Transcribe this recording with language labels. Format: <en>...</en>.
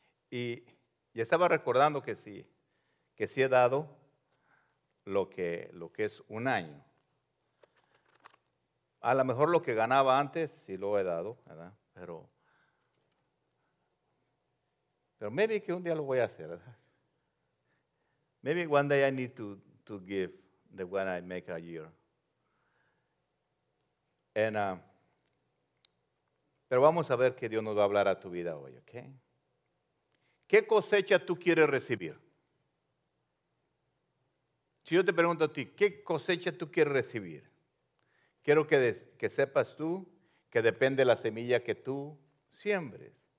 <es>Y estaba recordando que sí. Que sí he dado lo que es un año. A lo mejor lo que ganaba antes, sí lo he dado, ¿verdad? Pero maybe que un día lo voy a hacer, ¿verdad?</es> <en>Maybe one day I need to give the one I make a year.</en> <es>Pero vamos a ver que Dios nos va a hablar a tu vida hoy, ¿ok? ¿Qué cosecha tú quieres recibir? Si yo te pregunto a ti, ¿qué cosecha tú quieres recibir? Quiero que sepas tú que depende la semilla que tú siembres.</es>